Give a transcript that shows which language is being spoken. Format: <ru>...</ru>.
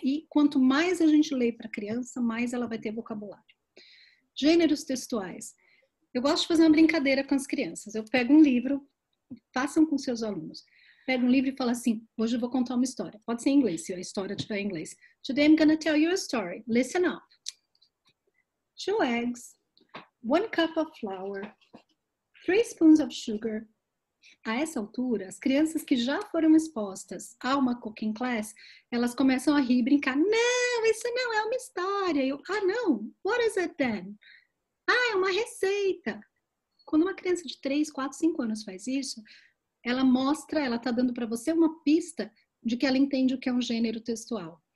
<pt>E quanto mais a gente lê para a criança, mais ela vai ter vocabulário. Gêneros textuais. Eu gosto de fazer uma brincadeira com as crianças. Eu pego um livro, façam com seus alunos. Pega um livro e fala assim, hoje eu vou contar uma história. Pode ser em inglês, se a história tiver em inglês.</pt> <en>Today I'm gonna tell you a story. Listen up. Two eggs, one cup of flour, three spoons of sugar.</en> <pt>A essa altura, as crianças que já foram expostas a uma cooking class, elas começam a rir e brincar. Não, isso não é uma história. Eu, ah, não. What is it then? Ah, é uma receita. Quando uma criança de 3, 4, 5 anos faz isso, ela mostra, ela está dando para você uma pista de que ela entende o que é um gênero textual.</pt>